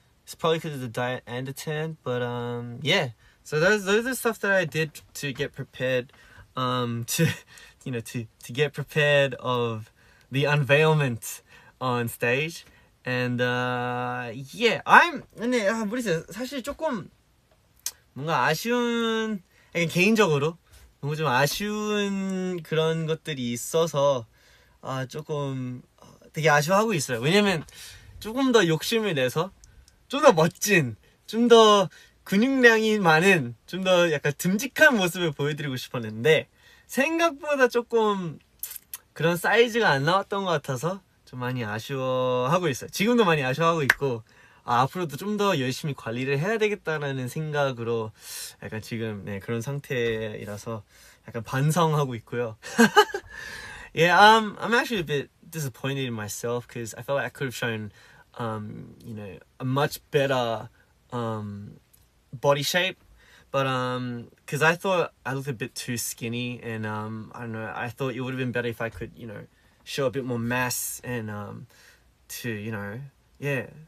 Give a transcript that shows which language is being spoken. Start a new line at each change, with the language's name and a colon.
English: It's probably because of the diet and the tan, but yeah. So those are stuff that I did to get prepared, to get prepared of the unveilment on stage, and yeah. I'm
Korean: 근데 모르겠어요. 사실 조금 뭔가 아쉬운 개인적으로 뭔가 좀 아쉬운 그런 것들이 있어서 조금 되게 아쉬워하고 있어요. 왜냐면 조금 더 욕심을 내서 좀 더 멋진, 좀 더 근육량이 많은, 좀 더 약간 듬직한 모습을 보여드리고 싶었는데 생각보다 조금 그런 사이즈가 안 나왔던 것 같아서 좀 많이 아쉬워하고 있어요. 지금도 많이 아쉬워하고 있고 앞으로도 좀 더 열심히 관리를 해야 되겠다라는 생각으로 약간 지금 네, 그런 상태라서 약간 반성하고 있고요.
English: Yeah, I'm actually a bit disappointed in myself because I felt like I could have shown a much better body shape But, because I thought I looked a bit too skinny, and, I don't know, I thought it would have been better if I could, you know, show a bit more mass and, to, you know, yeah.